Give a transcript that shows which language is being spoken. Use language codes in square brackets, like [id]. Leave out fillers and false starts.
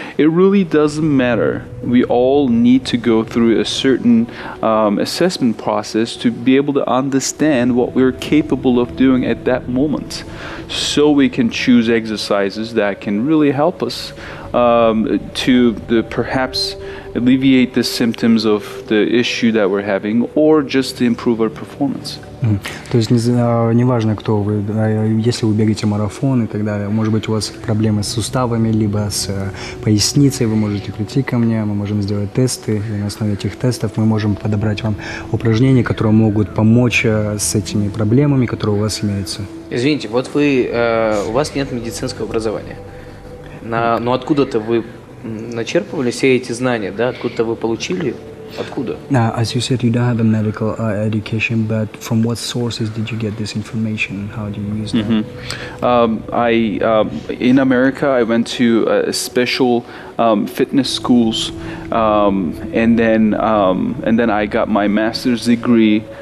[en] It really doesn't matter. We all need to go through a certain assessment process to be able to understand what we're capable of doing at that moment, so we can choose exercises that can really help us to perhaps alleviate the symptoms of the issue that we're having or just to improve our performance. [ru] То есть не важно, кто вы, если вы бегаете марафон и так далее, может быть, у вас проблемы с суставами, либо с поясницей, вы можете прийти ко мне, мы можем сделать тесты, и на основе этих тестов мы можем подобрать вам упражнения, которые могут помочь с этими проблемами, которые у вас имеются. Извините, вот вы, у вас нет медицинского образования, но откуда-то вы начерпывали все эти знания, да, откуда-то вы получили? Откуда? [en] As you said, you don't have a medical education, but from what sources did you get this information? How do you use that? In America, I went to a special fitness schools, and then I got my master's degree